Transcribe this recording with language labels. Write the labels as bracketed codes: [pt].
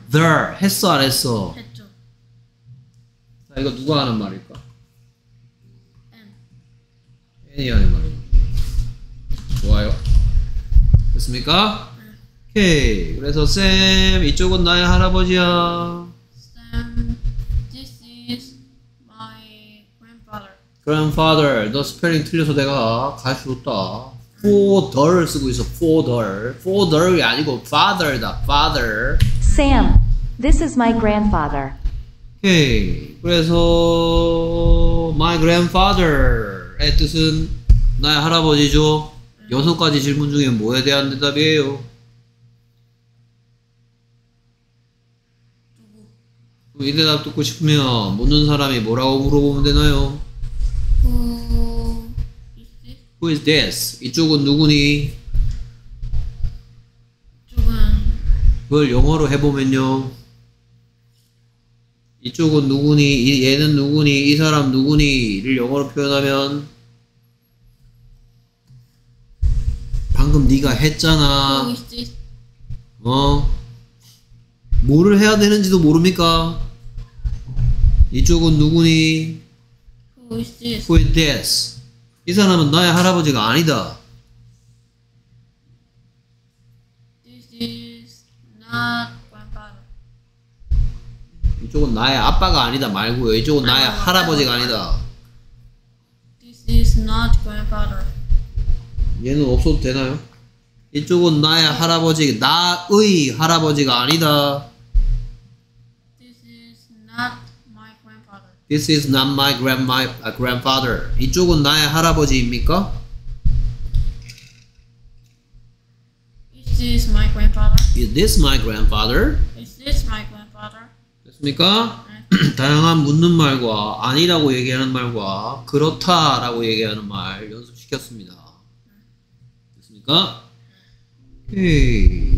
[ko] 덜. 했어, 안 했어? 했죠. 자, 이거 누가 하는 말일까? 엔. 엔이 하는 말이야. 좋아요. 됐습니까? 네. 오케이. 그래서, 쌤, 이쪽은 나의 할아버지야. [en] 쌤, this is my grandfather. [ko] grandfather, 너 스펠링 틀려서 내가 갈 수 없다. Father 쓰고 있어. Father. Father이 아니고 father다. [en] Father. Sam, this is my grandfather. Okay. [ko] 그래서 [en] my grandfather [ko] 의 뜻은 나의 할아버지죠. 여섯 가지 질문 중에 뭐에 대한 대답이에요? 이 대답 듣고 싶으면 묻는 사람이 뭐라고 물어보면 되나요? [en] Who is this? Who is this? [ko] 이쪽은 누구니? 이쪽은 그걸 영어로 해보면요. 이쪽은 누구니? 얘는 누구니? 이 사람 누구니?를 영어로 표현하면 방금 네가 했잖아. [en] Who is this? [ko] 어? 뭐를 해야 되는지도 모릅니까? 이쪽은 누구니? [en] Who is this? Who is this? [ko] 이 사람은 나의 할아버지가 아니다. [en] This is not grandfather. [ko] 이쪽은 나의 아빠가 아니다 말고요. 이쪽은 나의 할아버지가 아니다. [en] This is not grandfather. [ko] 얘는 없어도 되나요? 이쪽은 나의 할아버지, 나의 할아버지가 아니다. [en] This is not This is not my grandfather. [ko] 이쪽은 나의 할아버지입니까? [en] Is this my grandfather? Is this my grandfather? Is this my grandfather? [ko] 됐습니까? 네. 다양한 묻는 말과 아니라고 얘기하는 말과 그렇다라고 얘기하는 말 연습시켰습니다. 됐습니까? 오케이.